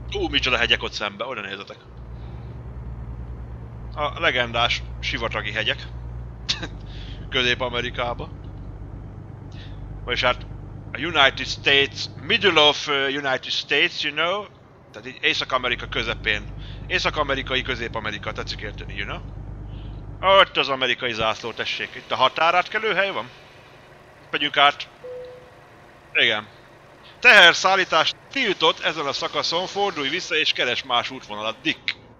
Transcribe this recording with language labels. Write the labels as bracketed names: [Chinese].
[Hungarian] micsoda hegyek ott szemben, oda nézzetek. A legendás sivatagi hegyek. Közép-Amerikában. Vagyis hát, [English] a United States, middle of United States, you know. [Hungarian] Tehát így Észak-Amerika közepén. Észak-amerikai, Közép-Amerika, tetszik érteni, [English] you know? [Hungarian] Ott az amerikai zászló, tessék. Itt a határátkelő hely van? Megyünk át. Igen. Teherszállítás tiltott ezen a szakaszon, fordulj vissza és keres más útvonalat, Dick.